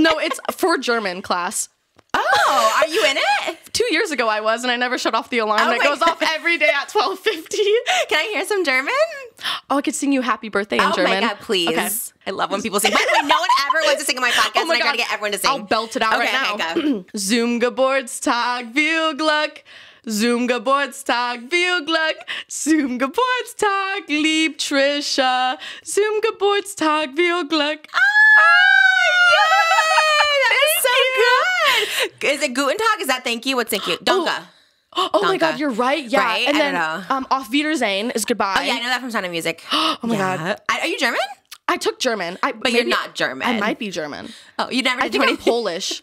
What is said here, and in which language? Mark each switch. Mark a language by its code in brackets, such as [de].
[en] No, it's for German class. Oh, are you in it? 2 years ago I was, and I never shut off the alarm. Oh, it goes off every day at 12:50. Can I hear some German? Oh, I could sing you happy birthday in German. Oh my God, please. Okay. I love when people sing. By the way, no one ever wants to sing in my podcast, and I gotta get everyone to sing. I'll belt it out right now. Okay, go. [de] Zoom Geburtstag, viel Glück. Zoom Geburtstag, viel Glück. Zoom Geburtstag, lieb Trisha. Zoom Geburtstag, viel Glück. [en] Yay! That is so good. Is it [de] Guten Tag? [en] Is that thank you? What's thank you? Danke. Oh my God, you're right. Yeah. Right? And then I don't know. Auf Wiedersehen is goodbye. Oh yeah, I know that from Sound of Music. Oh my God. Are you German? I took German. But you're not German. I might be German. Oh, you never did. I think I'm Polish.